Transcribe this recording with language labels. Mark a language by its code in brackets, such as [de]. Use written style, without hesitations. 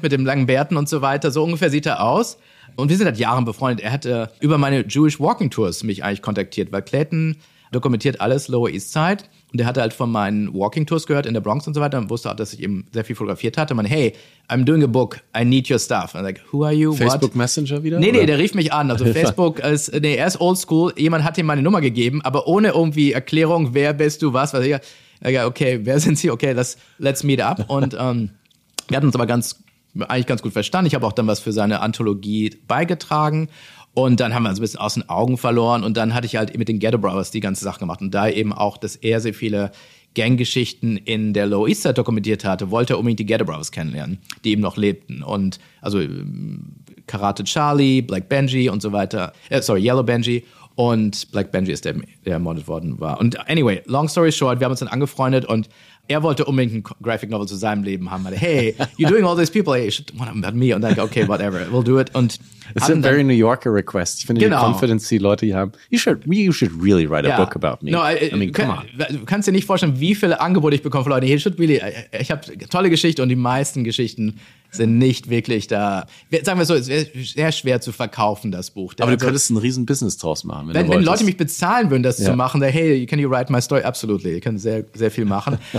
[de] Mit dem langen Bärten und so weiter. So ungefähr sieht er aus. Und wir sind seit Jahren befreundet. Er hat über meine Jewish Walking Tours mich eigentlich kontaktiert, weil Clayton dokumentiert alles Lower East Side. Und er hatte halt von meinen Walking Tours gehört in der Bronx und so weiter und wusste auch, dass ich eben sehr viel fotografiert hatte. Und meinte, [en] hey, I'm doing a book, I need your stuff. I'm like, who are you? [de] Facebook What? Messenger wieder? Nee, der rief mich an. Also Facebook, er ist old school. Jemand hat ihm meine Nummer gegeben, aber ohne irgendwie Erklärung, wer bist du, was. Okay, wer sind sie? Okay, [en] let's meet up. [de] Und wir hatten uns aber ganz gut verstanden. Ich habe auch dann was für seine Anthologie beigetragen. Und dann haben wir uns ein bisschen aus den Augen verloren und dann hatte ich halt mit den Ghetto Brothers die ganze Sache gemacht. Und da eben auch, dass er sehr viele Ganggeschichten in der Lower East Side dokumentiert hatte, wollte er unbedingt die Ghetto Brothers kennenlernen, die eben noch lebten. Und also Karate Charlie, Black Benji und so weiter, Yellow Benji und Black Benji ist der ermordet worden war. Und [en] anyway, long story short, [de] wir haben uns dann angefreundet und er wollte unbedingt ein Graphic Novel zu seinem Leben haben. Meinte, [en] hey, you're doing all these people. Hey, shit, what about me? [de] Und dann, [en] okay, whatever, we'll do it. [de] Und es sind very New Yorker Requests. Ich finde die Confidence, die Leute hier haben. [en] You should really write a book about me. [de] Du kannst dir nicht vorstellen, wie viele Angebote ich bekomme von Leuten. Ich habe tolle Geschichte und die meisten Geschichten sind nicht wirklich da. Sagen wir so, es wäre sehr schwer zu verkaufen, das Buch. Aber du könntest ein riesen Business draus machen, wenn du wolltest. Wenn Leute mich bezahlen würden, das zu machen, dann, [en] hey, can you write my story? Absolutely, [de] ihr könnt sehr, sehr viel machen.